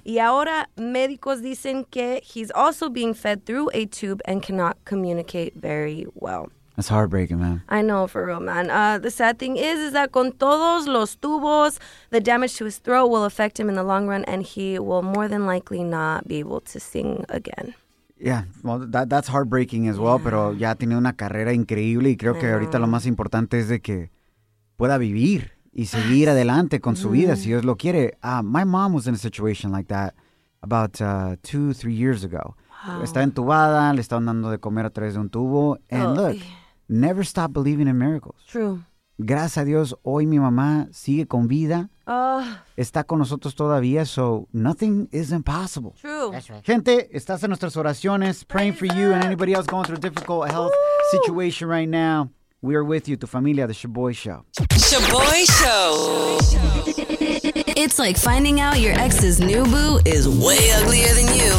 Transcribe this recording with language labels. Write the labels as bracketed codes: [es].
[en] Y ahora médicos dicen que he's also being fed through a tube and cannot communicate very well. That's heartbreaking, man. I know, for real, man. The sad thing is that con todos los tubos, the damage to his throat will affect him in the long run, and he will more than likely not be able to sing again. [es] Yeah, well, that's heartbreaking as well, pero ya tiene una carrera increíble y creo que ahorita lo más importante es de que pueda vivir y seguir adelante con su vida, si Dios lo quiere. [en] My mom was in a situation like that about 2-3 years ago. Wow. [es] Está entubada, le están dando de comer a través de un tubo. [en] And look, never stop believing in miracles. True. [es] Gracias a Dios, hoy mi mamá sigue con vida. Está con nosotros todavía, so nothing is impossible. [en] True. That's right. Gente, estás en nuestras oraciones, praying for you and anybody else going through a difficult health situation right now. We are with you, tu familia, the Sha'Boy Show. Sha'Boy Show. It's like finding out your ex's new boo is way uglier than you.